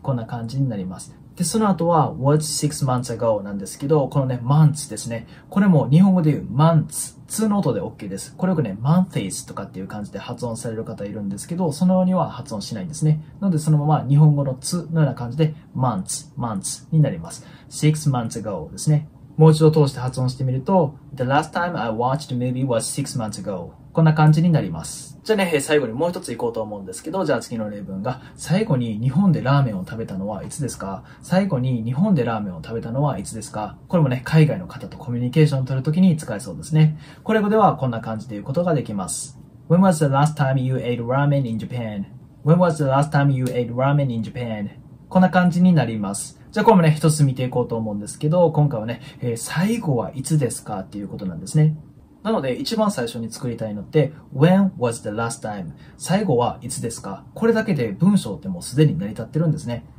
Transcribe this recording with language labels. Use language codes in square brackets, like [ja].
[ja] こんな感じになります。で、その後は [en] was 6 months ago [ja] なんですけど、このね、months ですね。これも日本語で言う months、2の音で OK です。これよくね、monthies とかっていう感じで発音される方いるんですけど、そのようには発音しないんですね。なので、そのまま日本語の2のような感じで months、months になります。 [en] 6 months ago [ja] ですね。 もう一度通して発音してみると、 [en] the last time I watched a movie was 6 months ago。 [ja] こんな感じになります。じゃあね、最後にもう一つ行こうと思うんですけど、じゃあ次の例文が、最後に日本でラーメンを食べたのはいつですか？最後に日本でラーメンを食べたのはいつですか？これもね、海外の方とコミュニケーションを取るときに使えそうですね。これではこんな感じで言うことができます。 [en] When was the last time you ate ramen in Japan? When was the last time you ate ramen in Japan? [ja] こんな感じになります。じゃあこれもね、一つ見ていこうと思うんですけど、今回はね、最後はいつですかっていうことなんですね。なので、一番最初に作りたいのって、 [en] When was the last time? [ja] 最後はいつですか？これだけで文章ってもうすでに成り立ってるんですね。